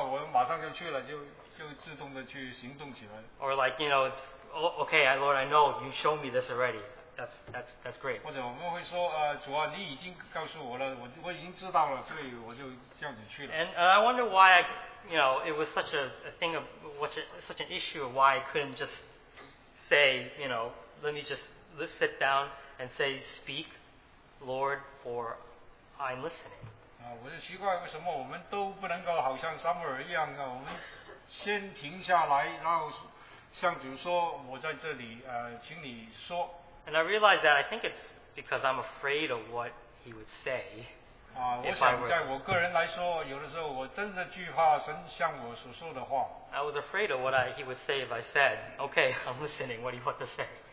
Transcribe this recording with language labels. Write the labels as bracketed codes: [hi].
[zh] 假如是关于服事的事的话，我会说主啊，我马上就去了，就自动的去行动起来。 [en] Or like, you know, it's. Oh, okay, Lord, I know you showed me this already. That's great. [zh] 或者我们会说，主啊，你已经告诉我了，我已经知道了，所以我就这样子去了。 [en] And I wonder why, you know, it was such a thing of what such an issue of why I couldn't just say, you know, let me just sit down and say, "Speak, Lord, for I'm listening." [zh] 我就奇怪为什么我们都不能够好像Samuel一样啊，我们先停下来，然后。向主说,我在这里,请你说。 [en] And I realize that I think it's because I'm afraid of what he would say. [zh] 我想在我个人来说,有的时候我真的惧怕神向我所说的话。 [en] I was afraid of what he would say if I said, "Okay, I'm listening, what do you want to say?"